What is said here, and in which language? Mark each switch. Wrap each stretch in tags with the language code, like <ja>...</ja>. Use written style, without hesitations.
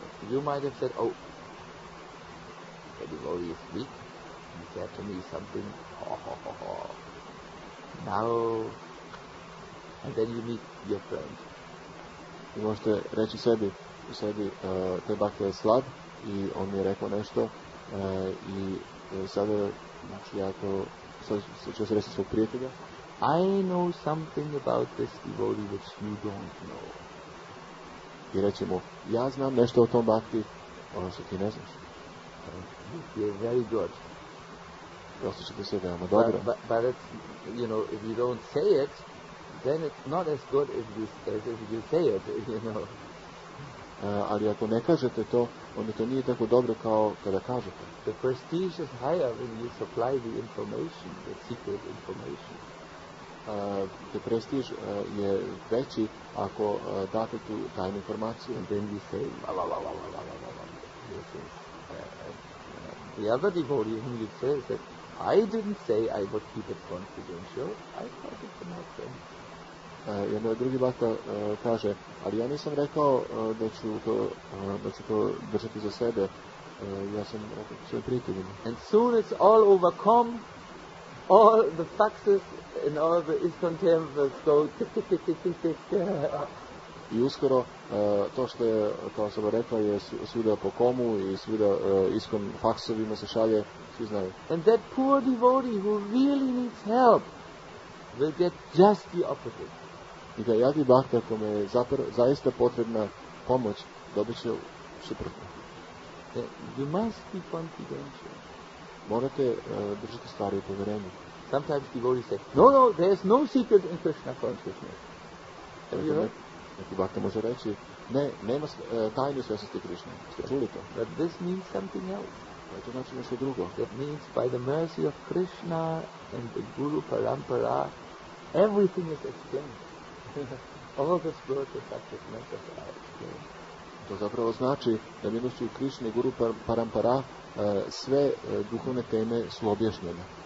<en>You might have said, oh, the devotee is weak. He said to me something, ho, now, and then you meet your friend.</en> <hr>I možete reći sebi, taj bakter je slab, i on mi je rekao nešto, i sada, znači ja to, sad ću se reći svog prijatelja.</hr> <en>I know something about this devotee which you don't know.</en> <hr>I reći mu, ja znam nešto o tom bakti, ono što ti ne znaš.</hr> <en>You feel very good.</en> <hr>Osjećate se veoma dobro.</hr> <en>But you know, if you don't say it, then it's not as good as if you say it, you know.</en> <hr>Ali ako ne kažete to, onda to nije tako dobro kao kada kažete.</hr> <en>The prestige is higher when you supply the information, the secret information. The prestige</en> <hr>je veći ako date tu tajnu informaciju.</hr> <en>And then you say, la la la la la la la la la. The other devotee whom you say is that, I didn't say I would keep it confidential. I thought it was not them.</en> <hr>Jedan drugi bakta kaže, ali ja nisam rekao da ću to držati za sebe. Ja sam rekao svojim prijateljima.</hr> <en>And soon it's all overcome. All the foxes and all the Iskon temples go tick, tick, tick, tick, tick.</en> <hr>I uskoro to što je ta osoba rekla je svuda po komu i svuda Iskon faksovima se šalje.</hr> <en>And that poor devotee who really needs help will get just the opposite.</en> <hr>I da jadni bhakta kome je zaista potrebna pomoć, dobit će suprotno.</hr> <en>You must be confidential.</en> <hr>Morate držati stvari u poverenju.</hr> <en>Sometimes devotees say, no, there is no secret in Krishna consciousness. Have you heard?</en> <hr>Neki bhakta može reći, ne, nema tajne svjesnosti Krishna. Ste čuli to?</hr> <en>But this means something else.</en> <hr>To znači nešto drugo.</hr> <en>That means by the mercy of Krishna and the Guru Parampara, everything is explained. All the spiritual factors are explained.</en> <hr>To zapravo znači da milošću Krishna i Guru Parampara sve duhovne teme su objašnjene.</hr>